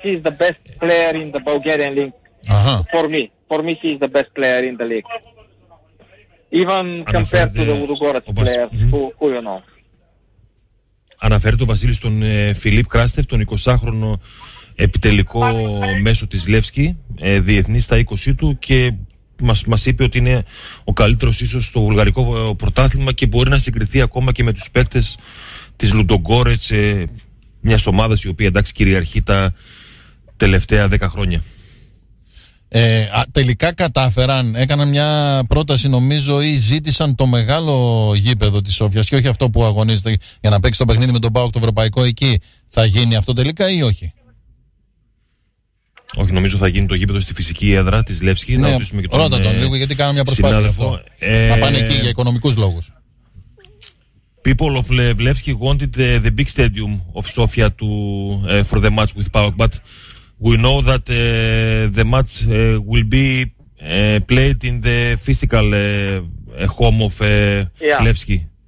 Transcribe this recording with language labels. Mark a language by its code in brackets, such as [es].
[en] He's the best player in the Bulgarian league. Uh-huh. For me, he's the best player in the league. Even compared to the Ludogorets players, who you know. [el] Αναφέρει το Βασίλη στον Φιλίπ Κράστεφ, τον 20χρονο επιτελικό μέσο της Λεύσκη, διεθνή στα 20 του, και μας είπε ότι είναι ο καλύτερος ίσως στο βουλγαρικό πρωτάθλημα και μπορεί να συγκριθεί ακόμα και με τους παίκτες της Ludogorets, μια ομάδα η οποία, εντάξει, κυριαρχεί τα τελευταία 10 χρόνια. Τελικά κατάφεραν, έκαναν μια πρόταση νομίζω ή ζήτησαν το μεγάλο γήπεδο της Σόφιας και όχι αυτό που αγωνίζεται για να παίξει το παιχνίδι με τον ΠΑΟΚ το ευρωπαϊκό εκεί. Θα γίνει αυτό τελικά ή όχι? Όχι, νομίζω θα γίνει το γήπεδο στη φυσική έδρα της Λεύσκη. Ναι, να ρωτήσουμε και τον ρώτα τον λίγο γιατί κάναμε μια προσπάθεια αυτό. Να πάνε εκεί για οικονομικούς λόγους. [en] People of Levski wanted the big stadium of Sofia to for the match with PAOK, but we know that the match will be played in the physical home of Levski.